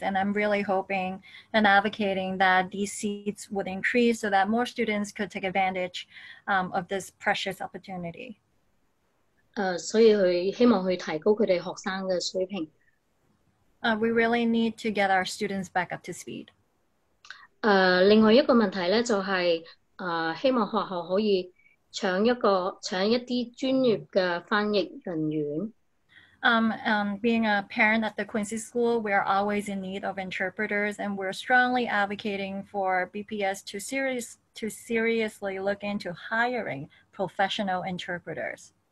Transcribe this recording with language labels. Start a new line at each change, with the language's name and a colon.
English: And I'm really hoping and advocating that these seats would increase so that more students could take advantage of this precious opportunity. We really need to get our students back up to speed.
Cantonese: 另外一个问题就是希望学校可以 搶一些專業的翻譯人員。
English: Being a parent at the Quincy School, we are always in need of interpreters, and we're strongly advocating for BPS to seriously look into hiring professional interpreters.